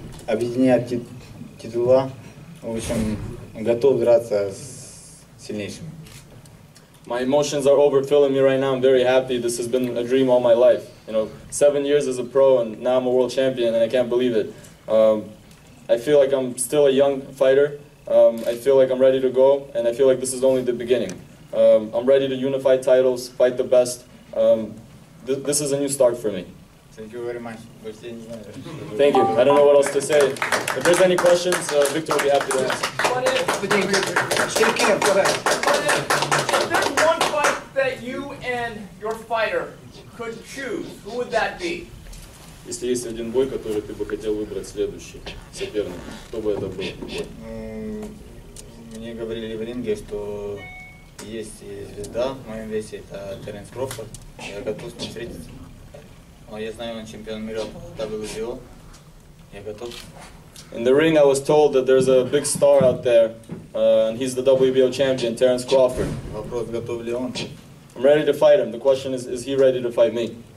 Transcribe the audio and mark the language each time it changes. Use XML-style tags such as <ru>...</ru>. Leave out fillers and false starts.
<ru>объединяет титула. В общем, готов драться с сильнейшими.</ru> <en>My emotions are overfilling me right now. I'm very happy. This has been a dream all my life. You know, 7 years as a pro, and now I'm a world champion, and I can't believe it. I feel like I'm still a young fighter. I feel like I'm ready to go, and I feel like this is only the beginning. I'm ready to unify titles, fight the best. This is a new start for me. Thank you very much. Thank you. I don't know what else to say. If there's any questions, Viktor will be happy to answer. What if there's one fight that you and your fighter could choose, who would that be?</en> <ru>Если есть один бой, который ты бы хотел выбрать следующий соперник, кто бы это был? Мне говорили в ринге, что есть звезда в моем весе, это Теренс Кроуфорд. Я готов с ним встретиться. Но я знаю, он чемпион мира по WBO. Я готов.</ru> <en>In the ring I was told that there's a big star out there, and he's the WBO champion, Теренс Кроуфорд.</en> <ru>Вопрос, готов ли он?</ru> <en>I'm ready to fight him. The question is he ready to fight me?</en>